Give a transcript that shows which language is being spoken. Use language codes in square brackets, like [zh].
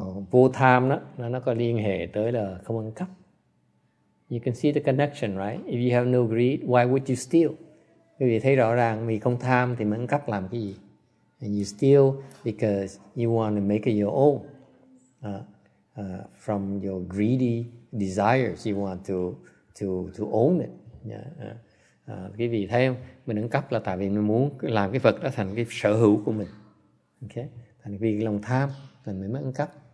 [vi] Vô tham đó, nó có liên hệ tới là không ăn cắp. [en] You can see the connection, right? If you have no greed, why would you steal? [vi] Bởi vì thấy rõ ràng, mình không tham thì mình ăn cắp làm cái gì? [en] And you steal because you want to make it your own. from your greedy desires, you want to own it. Yeah. [vi] Quý vị thấy không? Mình ăn cắp là tại vì mình muốn làm cái vật đó thành cái sở hữu của mình. [en] Okay. [vi] Thành vì lòng tham mình mới ăn cắp.